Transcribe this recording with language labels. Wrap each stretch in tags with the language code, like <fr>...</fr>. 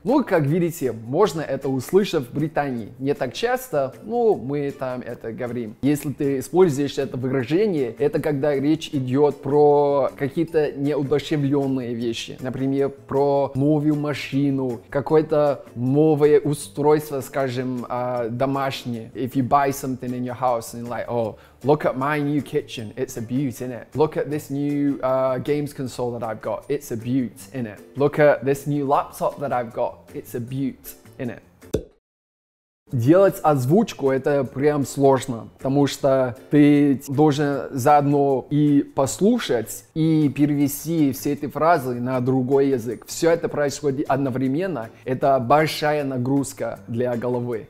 <ru>Ну, как видите, можно это услышать в Британии. Не так часто, но мы там это говорим. Если ты используешь это выражение, это когда речь идет про какие-то неудовлетворенные вещи. Например, про новую машину, какое-то новое устройство, скажем, домашнее.</ru> <en>If you buy something in your house, and like, oh, look at my new kitchen, it's a beaut, innit? Look at this new games console that I've got. It's a beaut, innit? Look at this new laptop that I've got. It's a beaut, innit?</en> <ru>Делать озвучку — это прям сложно, потому что ты должен заодно и послушать, и перевести все эти фразы на другой язык. Все это происходит одновременно. Это большая нагрузка для головы.</ru>